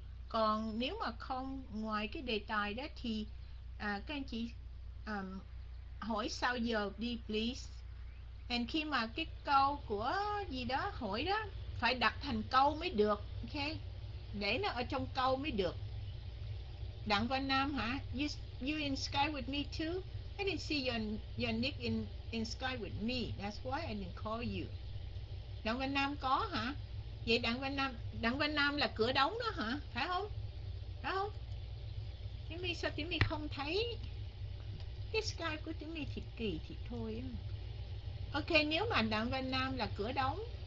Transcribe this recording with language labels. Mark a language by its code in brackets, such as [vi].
[vi] Còn nếu mà không ngoài cái đề tài đó thì các anh chị hỏi sau giờ đi please. And khi mà cái câu của gì đó hỏi đó phải đặt thành câu mới được, okay? Để nó ở trong câu mới được. [en] Đặng Văn Nam hả? You in Skype with me too? I didn't see your nick in Skype with me. That's why I didn't call you. Đặng Văn Nam [vi] có hả? Vậy Đặng Văn Nam là cửa đóng đó hả? Phải không? Phải không? Tiếng My sao tiếng My không thấy? Cái Skype của tiếng My thì kỳ thì thôi. Ok, nếu mà Đặng Văn Nam là cửa đóng.